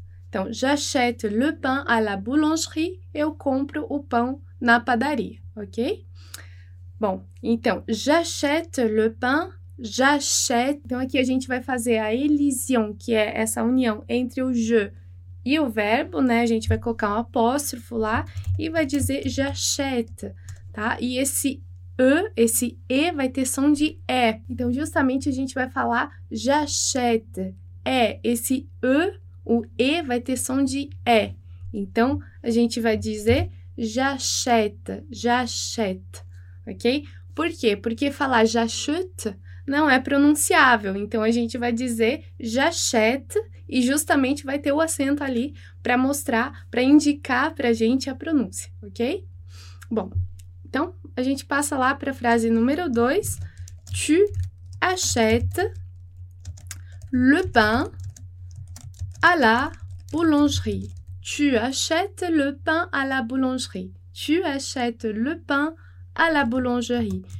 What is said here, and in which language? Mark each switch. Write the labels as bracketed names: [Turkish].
[Portuguese] Então, [French] j'achète le pain à la boulangerie. [Portuguese] Eu compro o pão na padaria, ok? Bom, então, [French] j'achète le pain, j'achète. [Portuguese] Então, aqui a gente vai fazer a élision, que é essa união entre o je e o verbo, né? A gente vai colocar um apóstrofo lá e vai dizer j'achète, tá? E esse e vai ter som de é. Então, justamente a gente vai falar j'achète. É, esse o e vai ter som de é. Então, a gente vai dizer j'achète, j'achète, ok? Por quê? Porque falar j'achète não é pronunciável. Então, a gente vai dizer j'achète e justamente vai ter o acento ali para mostrar, para indicar para a gente a pronúncia, ok? Bom, então, a gente passa lá para a frase número 2. [French] Tu achètes le pain à la boulangerie. Tu achètes le pain à la boulangerie. Tu achètes le pain à la boulangerie.